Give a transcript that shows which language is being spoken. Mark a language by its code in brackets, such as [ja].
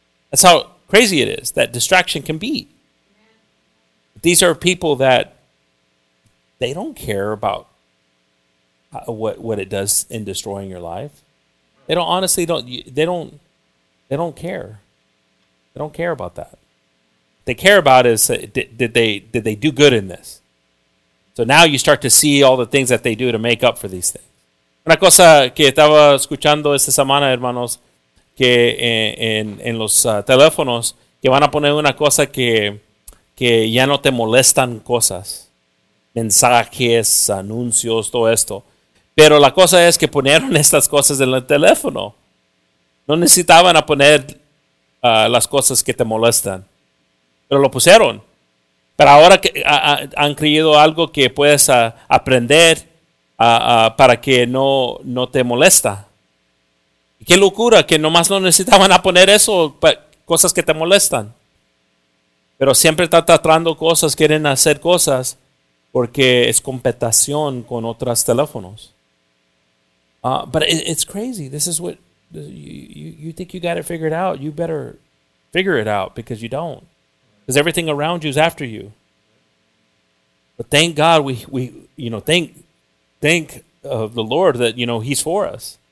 [en] That's how crazy it is that distraction can be. These are people that they don't care about what it does in destroying your life. They don't care. They don't care about that. What they care about is did they do good in this? So now you start to see all the things that they do to make up for these things. [es] Una cosa que estaba escuchando esta semana, hermanos, que en los teléfonos, que van a poner una cosa que ya no te molestan cosas, mensajes, anuncios, todo esto. Pero la cosa es que ponieron estas cosas en el teléfono. No necesitaban a poner las cosas que te molestan. Pero lo pusieron. Pero ahora que, han creído algo que puedes aprender para que no te molesta. Qué locura que nomás no necesitaban a poner eso, cosas que te molestan. Pero siempre están tratando cosas, quieren hacer cosas, porque es competición con otros teléfonos. [en] But it's crazy. This is what... You think you got it figured out. You better figure it out, because you don't. Because everything around you is after you. But thank God we thank the Lord that, you know, he's for us.